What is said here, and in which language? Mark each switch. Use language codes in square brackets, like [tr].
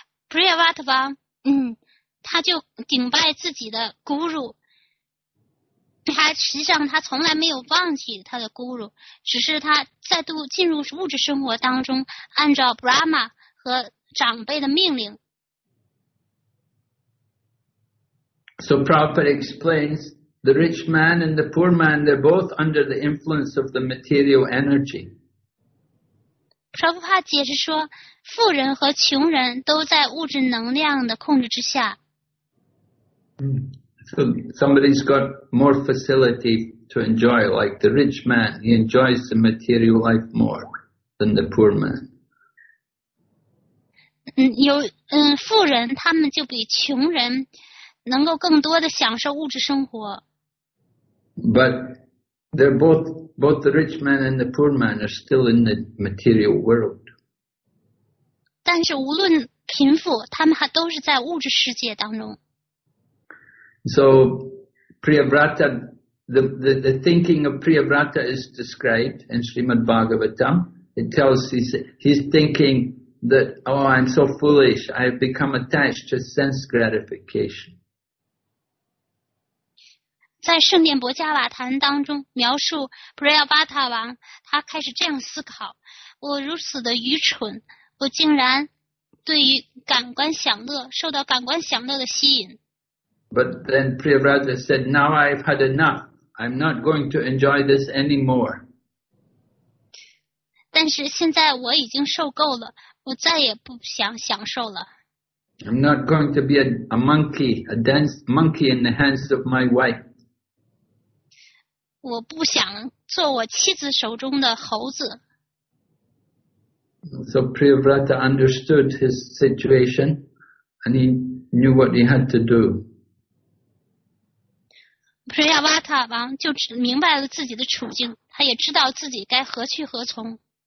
[zh] Priyavrata Vang. 他就顶拜自己的 guru， 他实际上他从来没有忘记他的 guru， 只是他再度进入物质生活当中，按照 Brahma 和长辈的命令。 [en] So Prabhupada explains the rich man and the poor man, they're both under the influence of the material energy. [zh] 舍夫帕解释说，富人和穷人都在物质能量的控制之下。 [en] So somebody's got more facility to enjoy, like the rich man, he enjoys the material life more than the poor man. [zh] 富人他们就比穷人能够更多的享受物质生活。 [en] But they're both the rich man and the poor man are still in the material world. [zh] 但是无论贫富，他们还都是在物质世界当中。 [en] So Priyavrata, the thinking of Priyavrata is described in Srimad Bhagavatam. It tells he's thinking that, oh, I'm so foolish. I have become attached to sense gratification. [zh] 在圣殿伯加瓦坛当中描述 Priyavrata 王，他开始这样思考，我如此的愚蠢，我竟然对于感官享乐，受到感官享乐的吸引。 [en] But then Priyavrata said, now I've had enough. I'm not going to enjoy this anymore. [zh] 但是现在我已经受够了，我再也不想享受了。 [en] I'm not going to be a monkey, a dance monkey in the hands of my wife. [zh] 我不想做我妻子手中的猴子。 [en] So Priyavrata understood his situation and he knew what he had to do. [zh] Priyavrata 王就明白了自己的处境，他也知道自己该何去何从。